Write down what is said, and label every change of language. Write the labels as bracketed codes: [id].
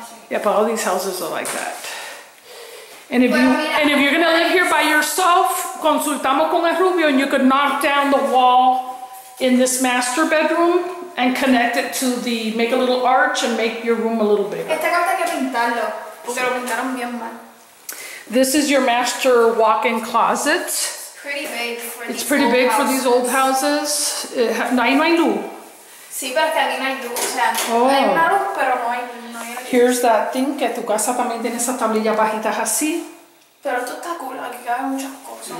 [en] Yeah, but all these houses are like that. And if you're gonna live here by yourself, [es] consultamos con el rubio, [en] and you could knock down the wall in this master bedroom and connect it to the, make a little arch and make your room a little bigger. [es] Este cuarto hay que pintarlo, porque lo pintaron bien mal. [en] This is your master walk-in closet. Pretty big for it's pretty big houses. For these old houses. It ha- [es] no, no hay luz. Sí, pero que aquí no hay luz. O sea, hay luz, pero no hay luz. [en] Here's that thing, [es] que tu casa también tiene esas tablillas bajitas así. Pero esto está cool, aquí cabe muchas cosas.